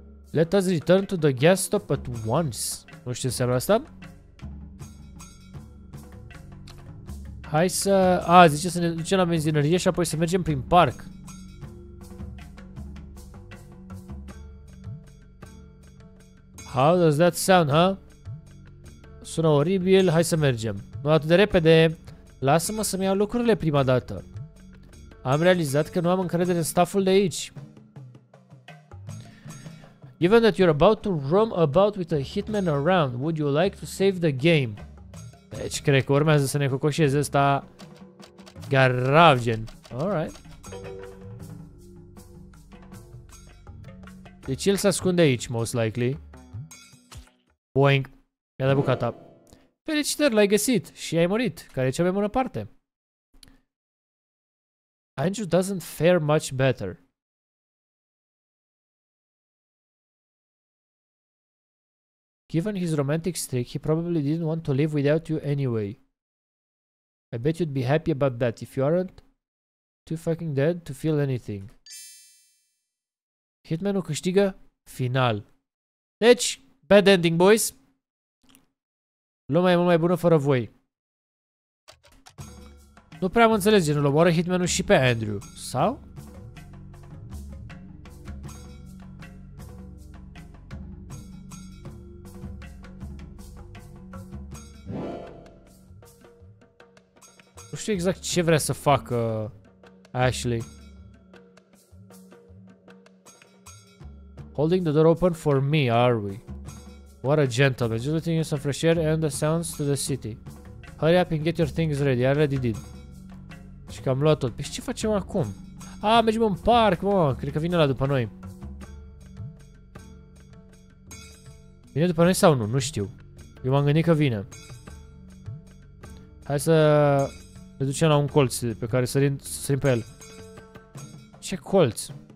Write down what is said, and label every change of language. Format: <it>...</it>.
<en>Let us return to the gas stop at once.</en> <ro>Nu știu ce înseamnă asta. Hai să... zice să ne ducem la benzinărie și apoi să mergem prin parc.</ro> <en>How does that sound, huh?</en> <ro>Sună oribil, hai să mergem. Nu atât de repede. Lasă-mă să-mi iau lucrurile prima dată. Am realizat că nu am încredere în stafful de aici.</ro> <en>Given that you're about to roam about with a hitman around, would you like to save the game?</en> <ro>Deci cred că urmează să ne cocoșeze ăsta garavgen.</ro> <en>Alright.</en> <ro>Deci el se ascunde aici,</ro> <en>most likely.</en> <ro>Boing. Mi-a dat bucata. Felicitări, l-ai găsit și ai murit, care e cea mai bună parte.</ro> <en>Andrew doesn't fare much better. Given his romantic streak, he probably didn't want to live without you anyway. I bet you'd be happy about that if you aren't too fucking dead to feel anything.</en> <ro>Hitmanul câștigă final. Deci,</ro> <en>bad ending, boys.</en> <ro>Lumea e mult mai bună fără voi. Nu prea am înțeles, genul omoară Hitmanul și pe Andrew. Sau? Nu știu exact ce vrea să facă Ashley.</ro> <en>Holding the door open for me, are we? What a gentleman. Just letting you some fresh air and the sounds to the city. Hurry up and get your things ready. I already did.</en> <ro>Și că am luat tot. Păi ce facem acum? Mergem în parc, mă. Cred că vine ăla după noi. Vine după noi sau nu? Nu știu. Eu m-am gândit că vine. Hai să... Ne ducem la un colț pe care sărim pe el. Ce colț?</ro>